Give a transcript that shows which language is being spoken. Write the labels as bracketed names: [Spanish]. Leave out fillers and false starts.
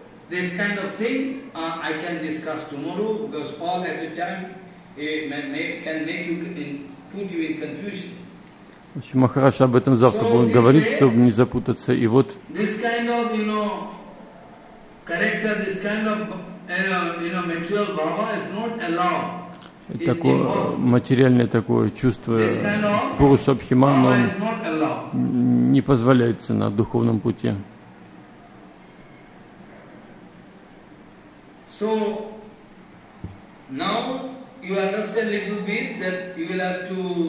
[English] this kind of thing I can discuss tomorrow, because all at a time can make you in, put you in confusion. [Russian] В общем, Махараш об этом завтра будет говорить, чтобы не запутаться. И вот [English] this kind of, you know, character, this kind of, you know, material bhava is not allowed. [Russian] Такое материальное такое чувство Пуруш Абхиман не позволяется на духовном пути. [English] So now you understand a little bit that you will have to.